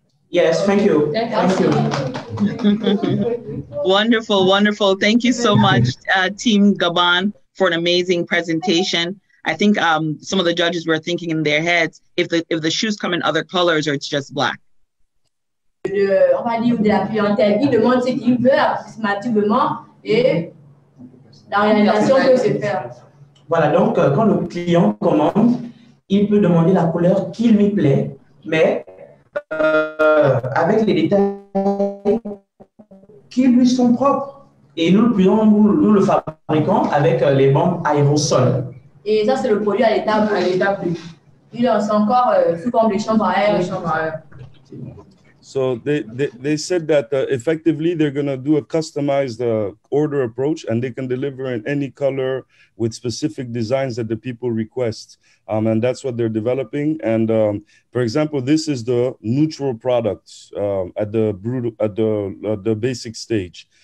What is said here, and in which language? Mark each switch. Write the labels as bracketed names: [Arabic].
[English] Yes, thank you. Thank you. Wonderful, wonderful. Thank you so much, Team Gabon, for an amazing presentation. I think some of the judges were thinking in their heads if the shoes come in other colors or it's just black. [French] On va dire de la clientèle qui demande ce qu'il veut approximativement et la réalisation peut se faire. Voilà, donc quand le client commande, il peut demander la couleur qui lui plaît, mais avec les détails qui lui sont propres. Et nous le fabriquons avec les bandes aérosol. Et ça, c'est le produit à l'état brut. Il est encore sous forme de chambre à air. [English] So they said that effectively they're going to do a customized order approach and they can deliver in any color with specific designs that the people request. And that's what they're developing. And for example, this is the neutral product at the basic stage.